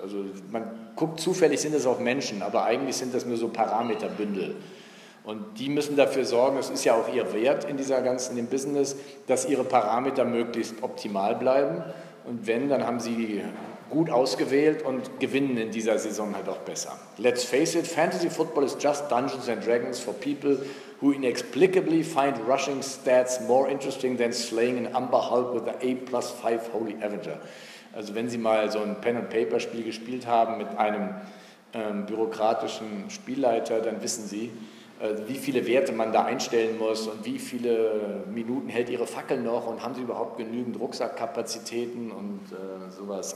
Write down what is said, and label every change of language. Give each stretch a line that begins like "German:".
German: Also man guckt, zufällig sind das auch Menschen, aber eigentlich sind das nur so Parameterbündel. Und die müssen dafür sorgen, das ist ja auch ihr Wert in dieser ganzen, in dem Business, dass ihre Parameter möglichst optimal bleiben. Und wenn, dann haben sie gut ausgewählt und gewinnen in dieser Saison halt auch besser.
English: Let's face it, Fantasy Football is just Dungeons and Dragons for people who inexplicably find rushing stats more interesting than slaying an Umber Hulk with an A+5 Holy Avenger.
German: Also wenn Sie mal so ein Pen-and-Paper-Spiel gespielt haben mit einem bürokratischen Spielleiter, dann wissen Sie, wie viele Werte man da einstellen muss und wie viele Minuten hält Ihre Fackel noch und haben Sie überhaupt genügend Rucksackkapazitäten und sowas.